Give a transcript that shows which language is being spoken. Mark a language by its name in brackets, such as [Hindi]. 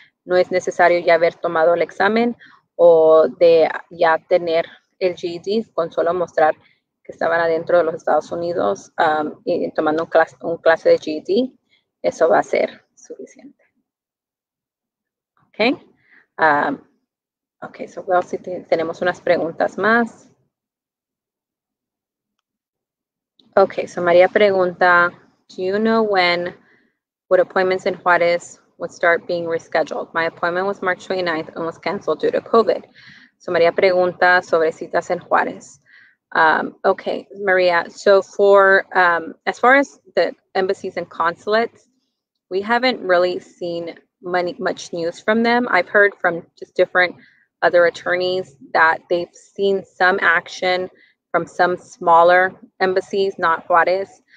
[Spanish] No es necesario ya haber tomado el examen o de ya tener el GED con solo mostrar que estaban adentro de los Estados Unidos y tomando un clase de GED. Eso va a ser suficiente. Ok. Ok, [English] so well, [Spanish] si tenemos unas preguntas más. [English] Ok, so María [Spanish] pregunta, [English] do you know when would appointments in Juarez would start being rescheduled? My appointment was March 29th and was canceled due to COVID. [Spanish] So María pregunta sobre citas en Juárez. [English] Okay, María, so for, as far as the embassies and consulates, we haven't really seen much news from them. I've heard from just different other attorneys that they've seen some action from some smaller embassies, not Juárez.